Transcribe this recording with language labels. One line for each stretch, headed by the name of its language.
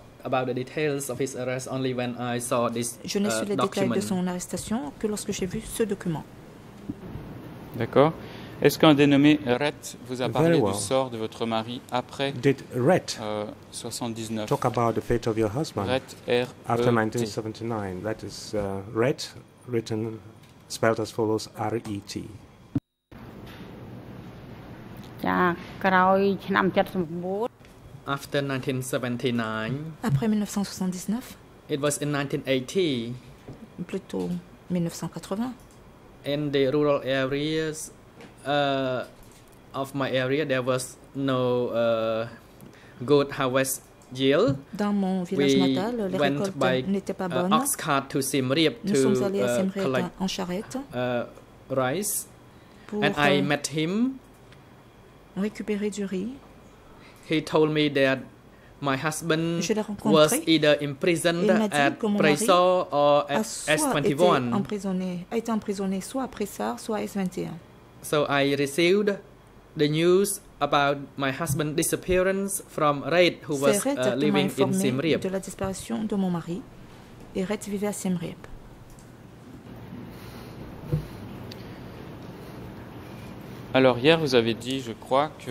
English: About the details of his arrest only when I saw this document.
French: Je n'ai su les détails de son arrestation que lorsque j'ai vu ce document. D'accord. Est-ce qu'un dénommé Rhett vous a parlé du sort de votre mari après
English: 79? Talk about the fate of your husband. Rhett, R-E-T. After 1979. That is Rhett, written, spelled as follows, R-E-T. After 1979.
French: Après 1979.
English: It was in 1980.
French: Plutôt 1980.
English: In the rural areas. Of my area, there was no good harvest yield.
French: Dans mon village natal, les récoltes n'étaient pas bonnes.
English: Ox cart to Siem Reap to collect
French: en charrette
English: rice. And I met him.
French: Récupérer du riz.
English: He told me that my husband was either imprisoned at Preso or at S21.
French: A été emprisonné soit à Pressard, soit à S21.
English: So I received the news about my husband's disappearance from Red, who
French: c'est
English: was living in Siem Reap.
French: De la disparition de mon mari, et Red vivait à Siem Reap. Alors hier, vous avez dit, je crois, que